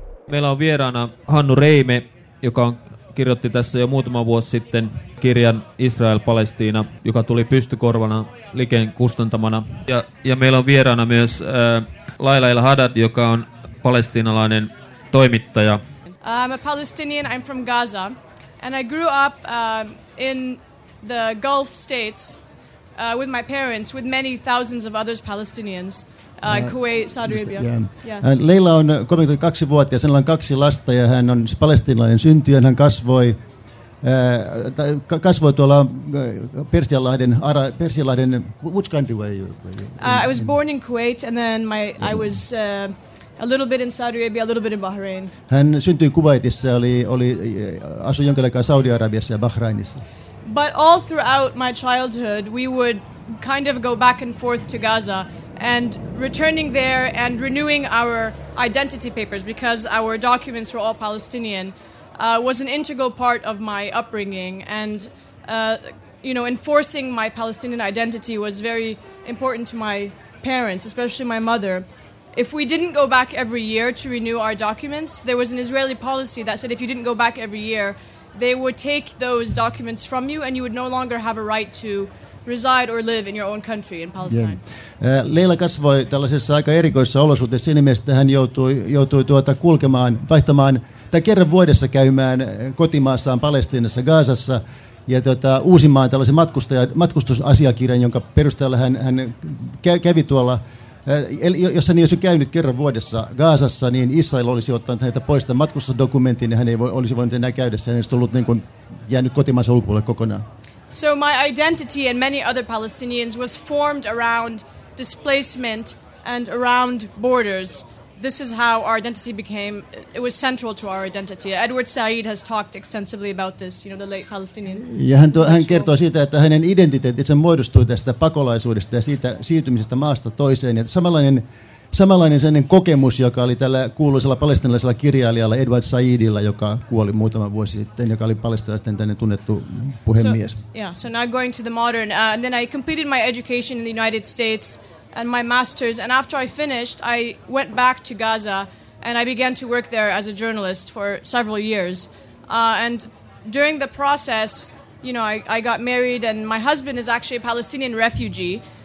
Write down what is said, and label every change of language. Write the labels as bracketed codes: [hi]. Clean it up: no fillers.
[fi] Meillä on vieraana Hannu Reime, joka on kirjoitti tässä jo muutama vuosi sitten kirjan Israel-Palestiina, joka tuli pystykorvana Liken kustantamana. Ja meillä on vieraana myös Laila El-Hadad, joka on palestiinalainen toimittaja. [en] I'm a Palestinian, I'm from Gaza. And I grew up in the Gulf states with my parents, with many thousands of others Palestinians. Kuwait, Saudi Arabia. [fi] Leila on 32-vuotias, hänellä on kaksi lasta ja hän on palestiinalainen syntyjä. Hän kasvoi tuolla Persianlahden [en] which country were you? I was born in Kuwait and then I was a little bit in Saudi Arabia, a little bit in Bahrain. [fi] Hän syntyi Kuwaitissa, oli asui jonkin aikaa Saudi-Arabiassa ja Bahrainissa. [en] But all throughout my childhood we would kind of go back and forth to Gaza. And returning there and renewing our identity papers, because our documents were all Palestinian, was an integral part of my upbringing. And, enforcing my Palestinian identity was very important to my parents, especially my mother. If we didn't go back every year to renew our documents, there was an Israeli policy that said if you didn't go back every year, they would take those documents from you and you would no longer have a right to reside or live in your own country in Palestine. [fi] Leila kasvoi tällaisessa aika erikoisessa olosuhteessa. Siinä mielessä hän joutui vaihtamaan tai kerran vuodessa käymään kotimaassaan Palestiinassa Gaasassa ja uusimaan tällaisen matkustusasiakirjan, jonka perusteella hän kävi tuolla. Jos hän ei olisi käynyt kerran vuodessa Gaasassa, niin Israel olisi ottanut häntä pois tämän matkustusdokumentin ja hän ei olisi voinut enää käydä. Hän olisi tullut niin kuin jäänyt kotimaassa ulkopuolelle kokonaan. [en] So my identity and many other Palestinians was formed around displacement and around borders. This is how our identity became, it was central to our identity. Edward Said has talked extensively about this, the late Palestinian. [fi] Ja hän kertoo siitä, että hänen identiteettinsä muodostui tästä pakolaisuudesta ja siitä siirtymisestä maasta toiseen. Ja samanlainen sen kokemus, joka oli tällä kuuluisella palestinalaisella kirjailijalla Edward Saidilla, joka kuoli muutama vuosi sitten, joka oli palestinalaisten tänne tunnettu puhemies. [en] So now going to the modern. And then I completed my education in the United States and my master's. And after I finished, I went back to Gaza and I began to work there as a journalist for several years. And during the process, I got married and my husband is actually a Palestinian refugee.